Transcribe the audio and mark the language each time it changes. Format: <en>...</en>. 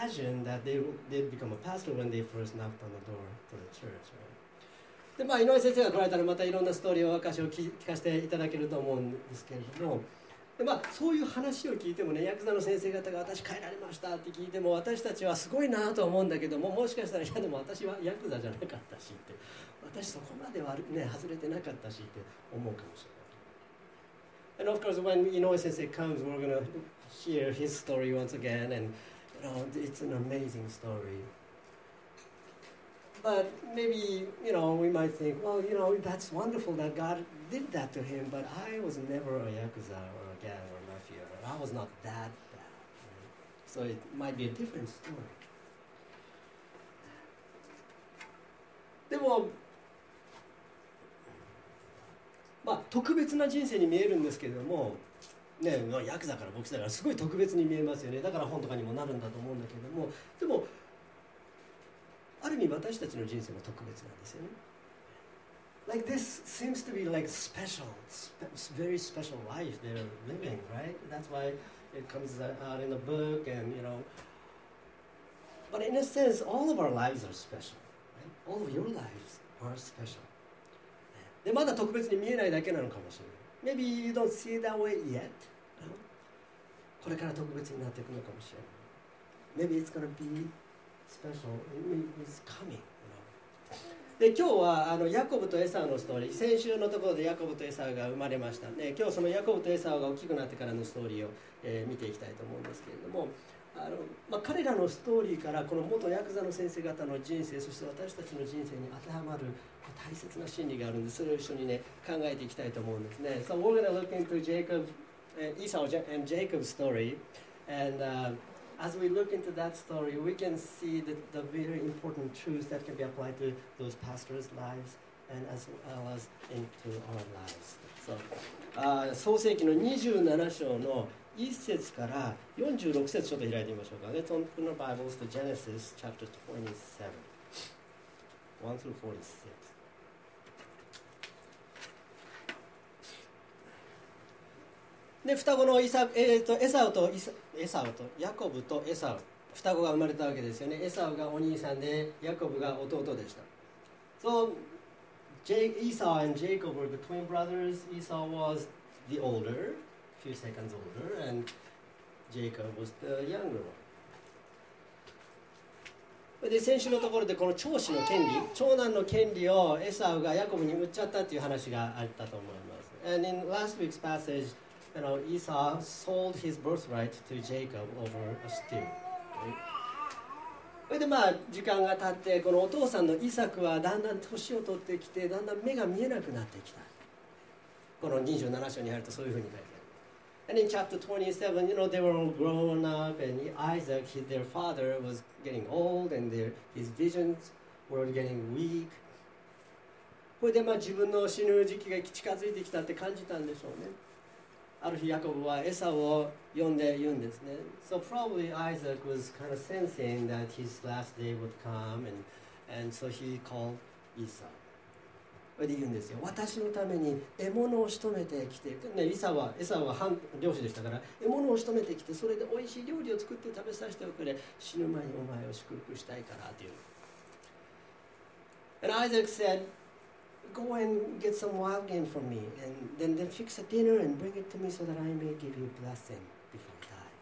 <en>I bet nobody imagined that they'd become a pastor when they first knocked on the door to the church, right?</en> <ja>でまあ、井上先生が来られたらまたいろんなストーリーを証を聞かせていただけると思うんですけれども、で、まあ、そういう話を聞いてもね、ヤクザの先生方が私変えられましたって聞いても私たちはすごいなと思うんだけども、もしかしたらいやでも私はヤクザじゃなかったしって、私そこまで悪、ね、外れてなかったしって思うかもしれない。</ja> <en>And of course when 井上先生 comes, we're going to hear his story once again, and you know, it's an amazing storyBut maybe, you know, we might think, well, you know, that's wonderful that God did that to him, but I was never a yakuza or a gang or a mafia. I was not that bad. Right? So it might be a different story.</en> <ja>でも、まあ、特別な人生に見えるんですけれども、ね、ヤクザから牧師だからすごい特別に見えますよね。だから本とかにもなるんだと思うんだけれども、でも、ある意味私たちの人生も特別なんですよね。</ja> <en>Like this seems to be like special, very special life they're living, right? That's why it comes out in the book and, you know. But in a sense, all of our lives are special, right? All of your lives are special.</en> <ja>で、まだ特別に見えないだけなのかもしれない。</ja> <en>Maybe you don't see it that way yet.</en> <ja>これから特別になっていくのかもしれない。</ja> <en>Maybe it's gonna be... Special. It's coming, you know.</en> <ja>で今日はあのヤコブとエサウのストーリー、先週のところでヤコブとエサウが生まれました。で今日そのヤコブとエサウが大きくなってからのストーリーを、見ていきたいと思うんですけれども、あの、まあ、彼らのストーリーからこの元ヤクザの先生方の人生、そして私たちの人生に当てはまる大切な真理があるんで、それを一緒に、ね、考えていきたいと思うんですね。</ja> <en>So we're going to look into Jacob, Esau and Jacob's story andAs we look into that story, we can see the very important truths that can be applied to those pastors' lives and as well as into our lives.</en> <ja>So, 創世記の27章の1節から46節ちょっと開いてみましょうか。</ja> <en>Let's open our Bibles to Genesis chapter 27, 1 through 46.</en> <ja>で双子のイサ、エサウ と, イサエサウとヤコブとエサウ、双子が生まれたわけですよね。エサウがお兄さんで、ヤコブが弟でした。</ja> <en>So, Esau and Jacob were the twin brothers. Esau was the older, a few seconds older, and Jacob was the younger one.</en> <ja>で先週のところで、この長子の権利、長男の権利をエサウがヤコブに売っちゃったという話があったと思います。</ja> <en>And in last week's passage,You know, Esau sold his birthright to Jacob over a steal.</en> <ja>それでまあ時間が経って、このお父さんのイサクはだんだん年を取ってきて、だんだん目が見えなくなってきた。この27章に入るとそういうふうに書いてある。</ja> <en>And in chapter 27, you know, they were all grown up, and Isaac, their father, was getting old, and his visions were getting weak.</en> <ja>それでまあ自分の死ぬ時期が近づいてきたって感じたんでしょうね。ある日ヤコブはエサを呼んで言うんですね。</ja> <en>So probably Isaac was kind of sensing that his last day would come, and so he called Esau.</en> <ja>で言うんですよ、私のために獲物を仕留めてきて、ね、エサは漁師でしたから、獲物を仕留めてきて、それで美味しい料理を作って食べさせておくれ、死ぬ前にお前を祝福したいからという。</ja> <en>And Isaac said, go and get some wild game for me, and then fix a dinner and bring it to me so that I may give you blessing before I die.</en>